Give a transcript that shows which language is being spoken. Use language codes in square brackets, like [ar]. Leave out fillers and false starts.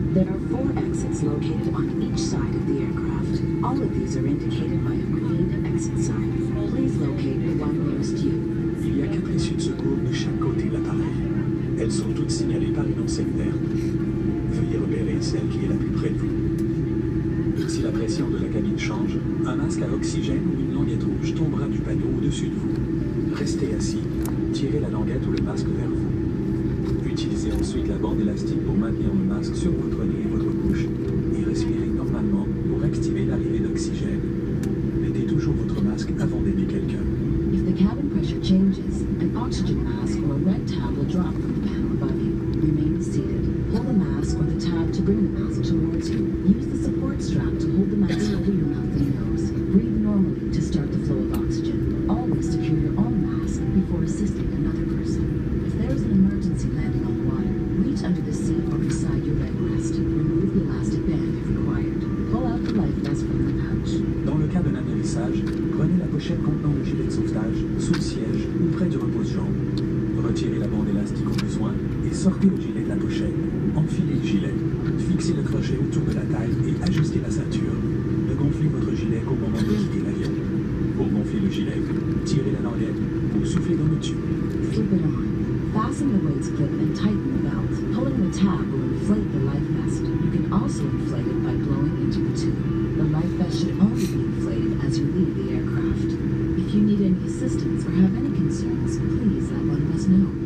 [en] There are four exits located on each side of the aircraft. All of these are indicated by a green exit sign. Please locate the one nearest to you. [fr] Il y a quatre issues de secours de chaque côté de l'appareil. Elles sont toutes signalées par une enseigne verte. Veuillez repérer celle qui est la plus près de vous. Si la pression de la cabine change, un masque à oxygène ou une languette rouge tombera du panneau au-dessus de vous. Restez assis, tirez la languette ou le masque vers vous. Utilisez ensuite la bande élastique pour maintenir le masque sur votre nez et votre bouche, et respirez normalement pour activer l'arrivée d'oxygène. Mettez toujours votre masque avant d'aider quelqu'un. [en] If the cabin pressure changes, an oxygen mask or a red tab will drop from the panel above you. Remain seated. Pull the mask or the tab to bring the mask towards you. Use the support strap to hold the mask over your mouth and nose. Breathe normally to start the flow of oxygen. Always secure your own mask before assisting another person. If there is an emergency landing on the water, reach under the seat or beside your leg rest. Remove the elastic band if required. Pull out the life vest from the pouch. [fr] Dans le cas d'un atterrissage, prenez la pochette contenant le gilet de sauvetage, sous le siège ou près du repose-jambe. Retirez la bande élastique au besoin et sortez le gilet de la pochette. Enfilez le gilet, fixez le crochet autour de la taille et ajustez la ceinture. Ne gonflez votre gilet qu'au moment de quitter l'avion. Pour gonfler le gilet, tirez la languette ou soufflez dans le tube. [en] Flip it on. Fasten the weights clip and tighten the belt. Pulling the tab will inflate the life vest. You can also inflate it by blowing into the tube. The life vest should only be inflated as you leave the aircraft. If you need any assistance or have any concerns, please let one of us know.